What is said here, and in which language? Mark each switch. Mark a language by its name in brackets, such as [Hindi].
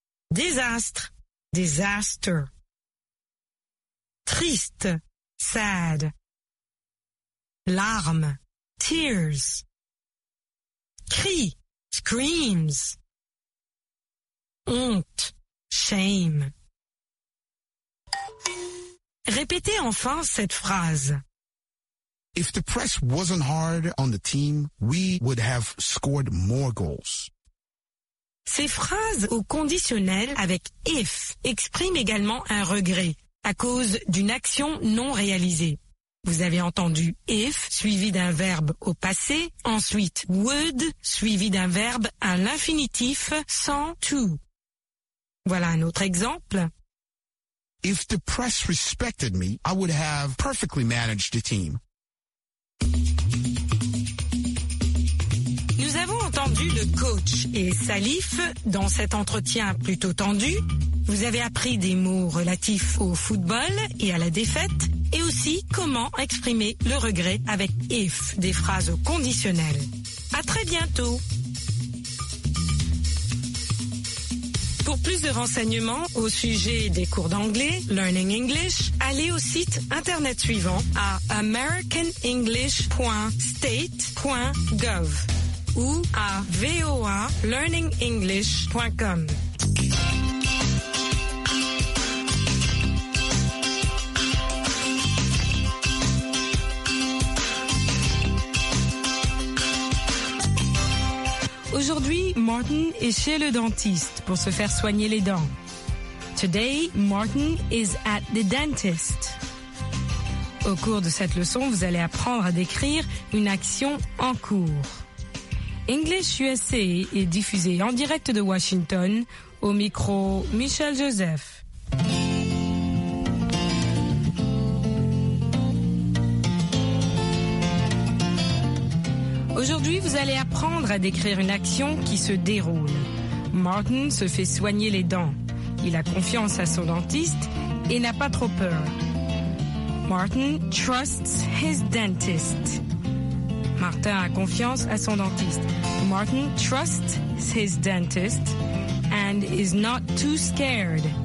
[French] Désastre. Disaster. Triste. Sad. Larmes. Tears. Cris. [English] Screams. Honte. Shame. [French] Répétez enfin cette phrase. [English] If the press wasn't hard on the team, we would have scored more goals. [French] Ces phrases au conditionnel avec if expriment également un regret à cause d'une action non réalisée. Vous avez entendu if suivi d'un verbe au passé, ensuite would suivi d'un verbe à l'infinitif sans to. Voilà un autre exemple. If the press respected me, I would have perfectly managed the team. Nous avons entendu le coach et Salif dans cet entretien plutôt tendu. Vous avez appris des mots relatifs au football et à la défaite et aussi comment exprimer le regret avec if, des phrases au conditionnel. À très bientôt. Pour plus de renseignements au sujet des cours d'anglais, Learning English, allez au site internet suivant à americanenglish.state.gov ou à voalearningenglish.com. Aujourd'hui, Martin est chez le dentiste pour se faire soigner les dents. [English] Today, Martin is at the dentist. [French] Au cours de cette leçon, vous allez apprendre à décrire une action en cours. English USA est diffusé en direct de Washington au micro Michel Joseph. Aujourd'hui, vous allez apprendre à décrire une action qui se déroule. Martin se fait soigner les dents. Il a confiance à son dentiste et n'a pas trop peur. [English] Martin trusts his dentist. [French] Martin a confiance à son dentiste. [English] Martin trusts his dentist and is not too scared.